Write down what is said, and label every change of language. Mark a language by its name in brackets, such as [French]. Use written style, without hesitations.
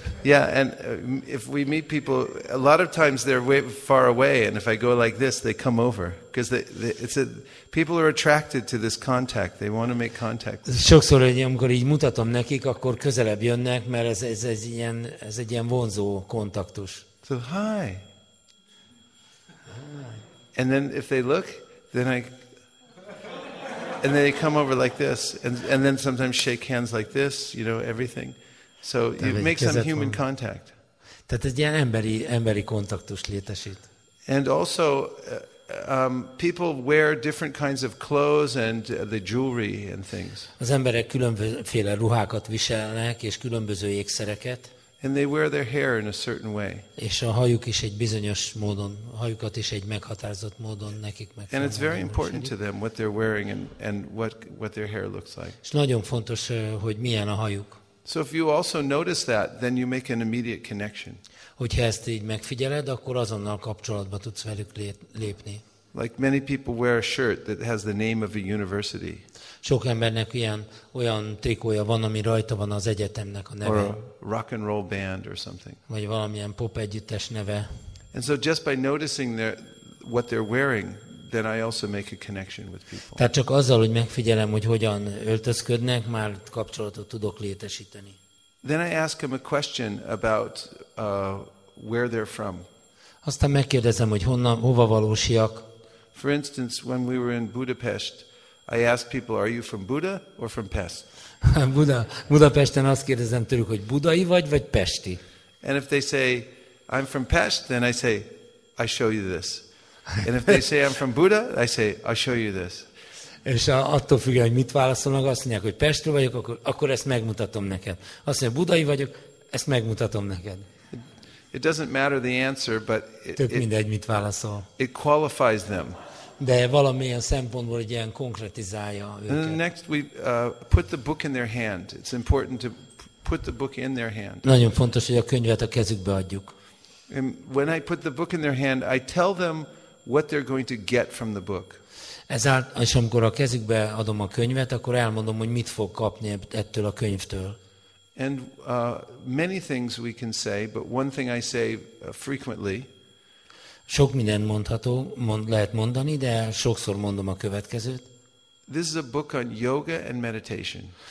[English] Yeah, and if we meet people, a lot of times they're way far away, and if I go like this, they come over. Because people are attracted to this contact. They want to make contact. [Hungarian] Sokszor, amikor így mutatom nekik, akkor közelebb jönnek, mert ez egy ilyen vonzó kontaktus. [English] So, hi. And then if they look, then they come over like this, and then sometimes shake hands like this, you know, everything. So you make some human contact. [Hungarian] Tehát egy ilyen emberi kontaktus létesít. [English] And also people wear different kinds of clothes and the jewelry and things. [Hungarian] Az emberek különféle ruhákat viselnek és különböző ékszereket. [English] And they wear their hair in a certain way. [Hungarian] És a hajuk is egy bizonyos módon, a hajukat is egy meghatározott módon nekik meg. [English] And it's very important to them what they're wearing and what their hair looks like. [Hungarian] És nagyon fontos, hogy milyen a hajuk. [English] So if you also notice that, then you make an immediate connection. [Hungarian] Hogyha ezt így megfigyeled, akkor azonnal kapcsolatba tudsz velük lépni. [English] Like many people wear a shirt that has the name of a university. [Hungarian] Sok embernek olyan trikója van, ami rajta van az egyetemnek a neve. [English] Or a rock and roll band or something. [Hungarian] Vagy valamilyen pop együttes neve. [English] And so just by noticing their what they're wearing, then I also make a connection with people. [Hungarian] Tehát csak azzal, hogy megfigyelem, hogy hogyan öltözködnek, már kapcsolatot tudok létesíteni. [English] Then I ask him a question about where they're from. [Hungarian] Aztán megkérdezem, hogy honnan, hova valósiak. [English] For instance, when we were in Budapest, I asked people, are you from Buda or from Pest? [Hungarian] Budapesten azt kérdezem tőlük, hogy budai vagy, vagy pesti? [English] And if they say, I'm from Pest, then I say, I show you this. And if they say, I'm from Buda, I say, I show you this. [Hungarian] És attól függ, hogy mit válaszolnak, azt mondják, hogy Pestről vagyok, akkor ezt megmutatom neked. Azt mondják, budai vagyok, ezt megmutatom neked. [English] It doesn't matter the answer, but it qualifies them. [Hungarian] De valamilyen szempontból egy ilyen konkretizálja őket. [English] Next we put the book in their hand. It's important to put the book in their hand. [Hungarian] Nagyon fontos, hogy a könyvet a kezükbe adjuk. [English] And when I put the book in their hand, I tell them what they're going to get from the book. [Hungarian] Ezáltal, és amikor a kezükbe adom a könyvet, akkor elmondom, hogy mit fog kapni ettől a könyvtől. [English] And many things we can say, but one thing I say frequently. [Hungarian] Sok mindent mondható, lehet mondani, de sokszor mondom a következőt. [English] This is a book on yoga and meditation.